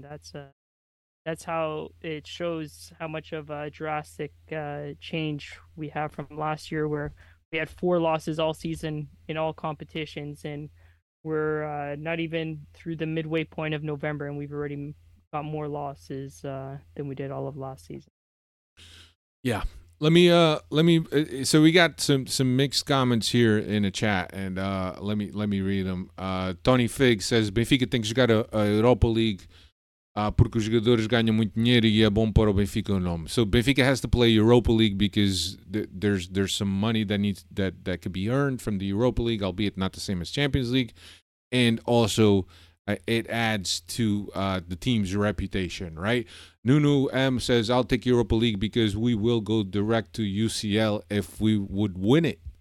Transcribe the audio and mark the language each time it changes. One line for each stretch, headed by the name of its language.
English: That's how it shows how much of a drastic change we have from last year, where we had 4 losses all season in all competitions, and we're not even through the midway point of November, and we've already got more losses than we did all of last season. Yeah. Let me. So we got some mixed comments here in the chat, and let me read them. Tony Figg says, Benfica thinks you got a Europa League
Portuguese: porque os jogadores ganham muito dinheiro e é bom para o Benfica o nome.
English: So Benfica has to play Europa League because there's some money that needs that could be earned from the Europa League, albeit not the same as Champions League, and also it adds to the team's reputation, right? Nunu M says, I'll take Europa League because we will go direct to UCL if we would win it.